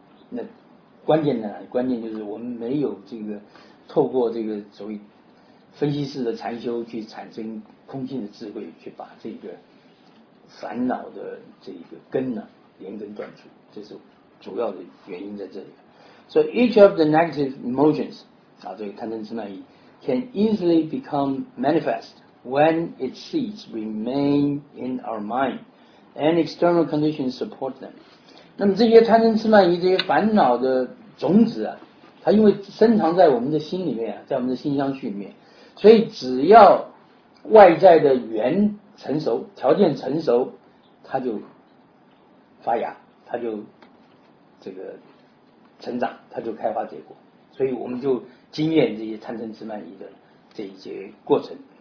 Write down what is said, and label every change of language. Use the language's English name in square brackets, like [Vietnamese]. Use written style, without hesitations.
[Chinese] 那关键呢，关键就是我们没有这个透过这个所谓分析式的禅修去产生空性的智慧，去把这个烦恼的这个根呢、啊，连根断除，这是主要的原因在这里。 [English] So each of the negative emotions， [Chinese] 啊，这个贪嗔痴慢疑 [English] ，can easily become manifest when its seeds remain in our mind and external conditions support them。 [Chinese] 那么这些贪嗔痴慢疑这些烦恼的种子啊，它因为深藏在我们的心里面啊，在我们的心相续里面，所以只要外在的缘成熟，条件成熟，它就发芽，它就这个成长，它就开花结果，所以我们就经验这些贪嗔痴慢疑的这一些过程。